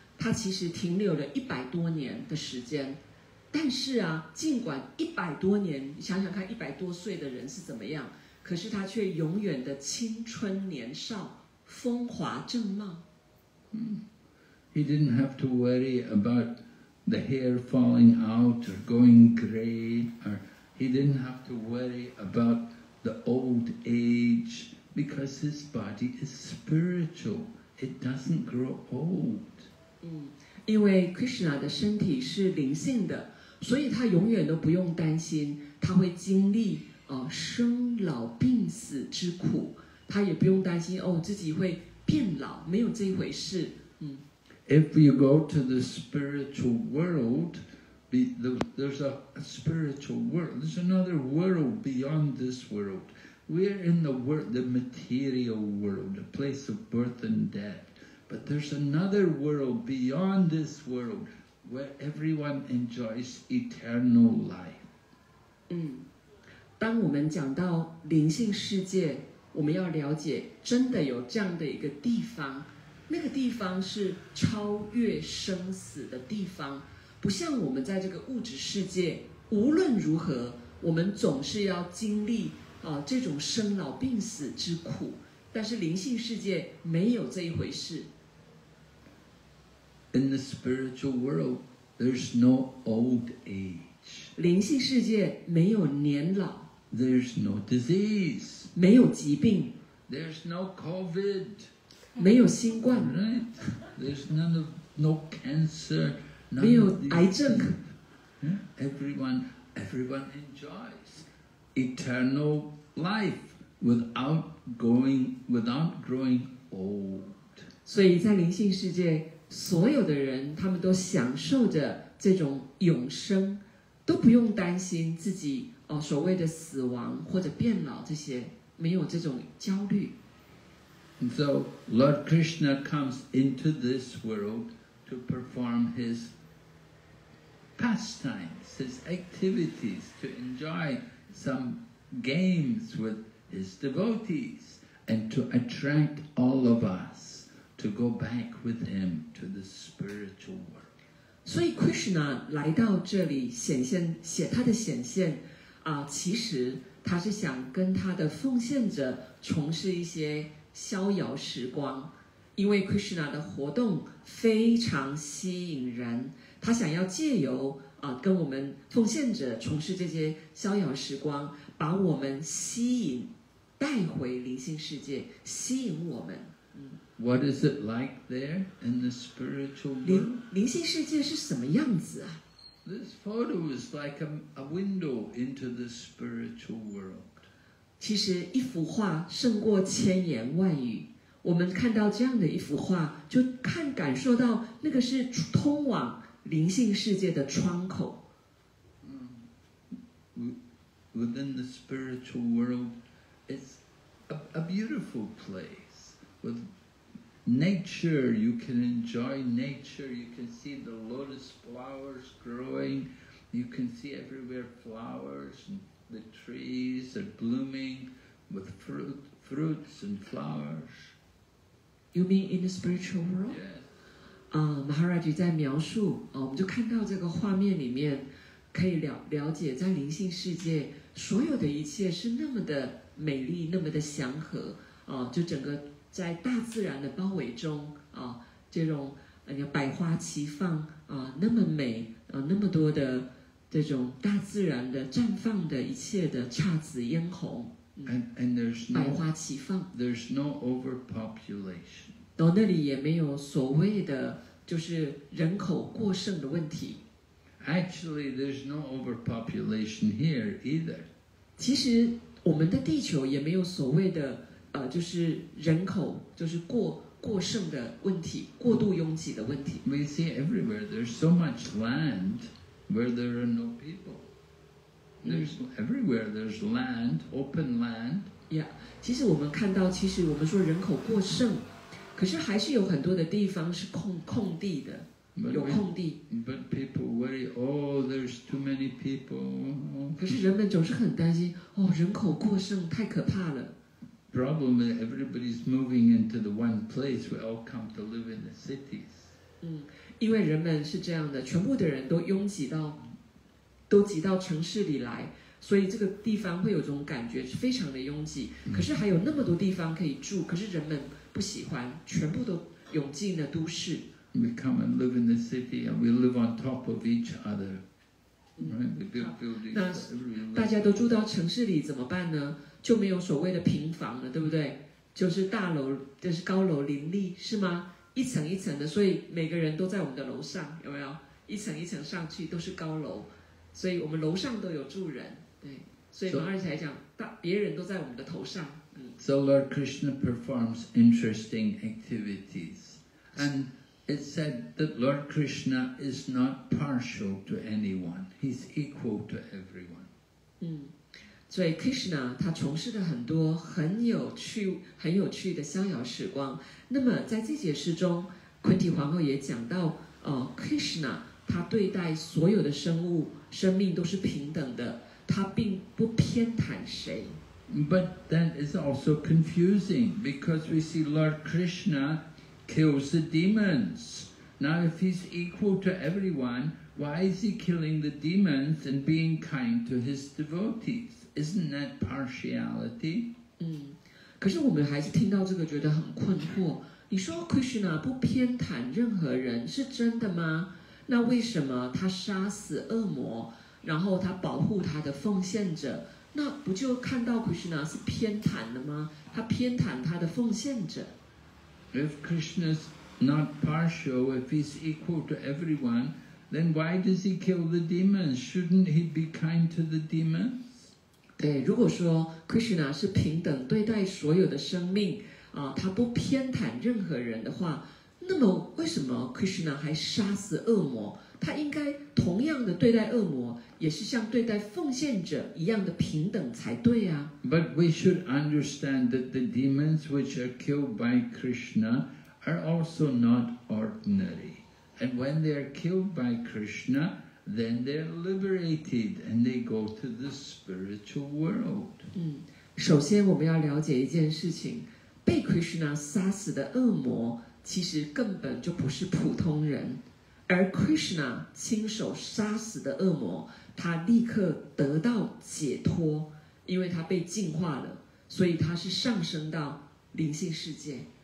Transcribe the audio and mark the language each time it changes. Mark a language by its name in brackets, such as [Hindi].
[Chinese] 他其实停留了100多年的时间，但是啊，尽管100多年，你想想看，100多岁的人是怎么样？可是他却永远的青春年少，风华正茂。 [English] He didn't have to worry about the hair falling out or going gray, or he didn't have to worry about the old age because his body is spiritual. It doesn't grow old. [Chinese] 因为 Krishna 的身体是灵性的，所以他永远都不用担心他会经历生老病死之苦，他也不用担心哦，自己会变老，没有这一回事。嗯。 [English] If you go to the spiritual world, there's a spiritual world. There's another world beyond this world. We're in the material world, a place of birth and death. But there's another world beyond this world where everyone enjoys eternal life. [Chinese] 嗯，当我们讲到灵性世界，我们要了解真的有这样的一个地方，那个地方是超越生死的地方，不像我们在这个物质世界，无论如何我们总是要经历这种生老病死之苦，但是灵性世界没有这一回事。 [English] In the spiritual world, there's no old age. [Chinese] 灵性世界没有年老。 [English] There's no disease. [Chinese] 没有疾病。 [English] There's no COVID. [Chinese] 没有新冠。 [English] Right? There's none of, no cancer. [Chinese] 没有癌症。 [English] Everyone enjoys eternal life without growing old. [Chinese] 所以在灵性世界，所有的人他们都享受着这种永生，都不用担心自己所谓的死亡或者变老，这些没有这种焦虑。 [English] And so Lord Krishna comes into this world to perform his pastimes, his activities, to enjoy some games with his devotees and to attract all of us to go back with him to the spiritual world. [Chinese] 所以 Krishna 来到这里显现，写他的显现其实他是想跟他的奉献者从事一些逍遥时光，因为 Krishna 的活动非常吸引人，他想要借由跟我们奉献者从事这些逍遥时光，把我们吸引带回灵性世界，吸引我们。 [English] What is it like there in the spiritual world? [Chinese] 灵性世界是什么样子啊？ [English] This photo is like a window into the spiritual world. [Chinese] 其实一幅画胜过千言万语，我们看到这样的一幅画，就看感受到那个是通往灵性世界的窗口。 [English] Within the spiritual world, it's a beautiful place. With nature, you can enjoy nature. You can see the lotus flowers growing. You can see everywhere flowers and the trees are blooming with fruits and flowers. You mean in the spiritual world? Yes. [Chinese] Maharaj 在描述我们就看到这个画面里面可以 了解在灵性世界所有的一切是那么的美丽，那么的祥和就整个在大自然的包围中这种百花齐放那么美那么多的这种大自然的绽放的一切的姹紫嫣红百花齐放。 [English] There's no overpopulation. [Chinese] 到那里也没有所谓的就是人口过剩的问题。 [English] Actually, there's no overpopulation here either. [Chinese] 其实我们的地球也没有所谓的就是人口就是过剩的问题，过度拥挤的问题。 [English] We see everywhere there's so much land where there are no people. There's everywhere there's land, open land. [Chinese] Yeah, 其实我们看到，其实我们说人口过剩，可是还是有很多的地方是空地的。 [English] But people worry, oh, there's too many people. [Chinese] 可是人们总是很担心，哦，人口过剩太可怕了。 [English] Problem is everybody's moving into the one place. We all come to live in the cities. [Chinese] 因为人们是这样的，全部的人都拥挤到，都挤到城市里来，所以这个地方会有种感觉是非常的拥挤。可是还有那么多地方可以住，可是人们不喜欢，全部都涌进了都市。 [English] We come and live in the city, and we live on top of each other, right? We build buildings. [Chinese] 那大家都住到城市里怎么办呢？就没有所谓的平房了，对不对？就是大楼，就是高楼林立，是吗？一层一层的，所以每个人都在我们的楼上，有没有？一层一层上去都是高楼，所以我们楼上都有住人，对。所以马尔才讲，别人都在我们的头上。 [English] So Lord Krishna performs interesting activities. And it's said that Lord Krishna is not partial to anyone. He's equal to everyone. [Chinese] Mm. 所以 Krishna 他从事的很多很有趣很有趣的逍遥时光。那么在这些诗中 Kunti 皇后也讲到、Krishna 他对待所有的生物生命都是平等的，他并不偏袒谁。 [English] But that is also confusing because we see Lord Krishna kills the demons. Now if he's equal to everyone, why is he killing the demons and being kind to his devotees? Isn't that partiality? [Chinese] 嗯，可是我们还是听到这个觉得很困惑。你说 Krishna 不偏袒任何人是真的吗？那为什么他杀死恶魔，然后他保护他的奉献者？那不就看到 Krishna 是偏袒的吗？他偏袒他的奉献者。 [English] If Krishna is not partial, if he's equal to everyone, then why does he kill the demons? Shouldn't he be kind to the demons? [Chinese] 对，如果说 Krishna 是平等对待所有的生命，他不偏袒任何人的话，那么为什么 Krishna 还杀死恶魔？他应该同样的对待恶魔，也是像对待奉献者一样的平等才对啊。 [English] But we should understand that the demons which are killed by Krishna are also not ordinary. And when they are killed by Krishna, then they are liberated and they go to the spiritual world. [Chinese] 嗯，首先我们要了解一件事情，被 Krishna 杀死的恶魔其实根本就不是普通人。而 Krishna 亲手杀死的恶魔，他立刻得到解脱，因为他被净化了，所以他是上升到灵性世界。